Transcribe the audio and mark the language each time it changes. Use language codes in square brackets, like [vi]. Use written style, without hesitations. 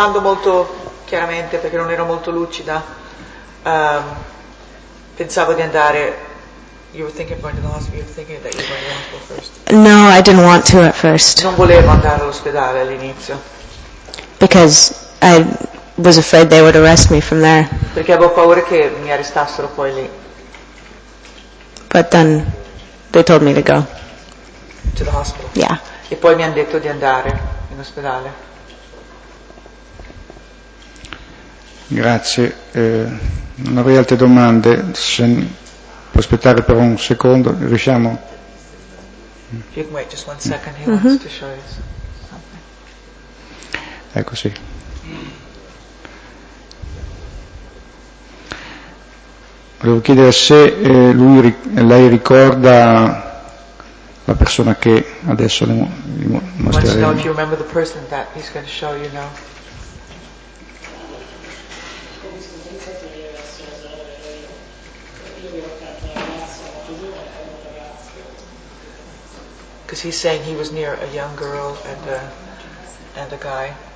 [it] non pensando molto chiaramente, perché non ero molto lucida, pensavo di andare. [en] You were thinking of going to the hospital. You were thinking that you were going to the hospital first. No, I didn't want to at first. [it] Non volevo andare all'ospedale all'inizio. [en] Because I was afraid they would arrest me from there. [it] Perché avevo paura che mi arrestassero poi lì. [en] But then they told me to go. To the hospital. Yeah. [it] E poi mi hanno detto di andare in ospedale. Grazie. Non avrei altre domande. Se può aspettare per un secondo, riusciamo. [en] If you can wait just one second, he wants to show you something. [it] Ecco, sì. Volevo chiedere se lei ricorda la persona che adesso le mostreremo. [en] Do you remember the person that he's going to show you now? Because he's saying he was near a young girl and a guy.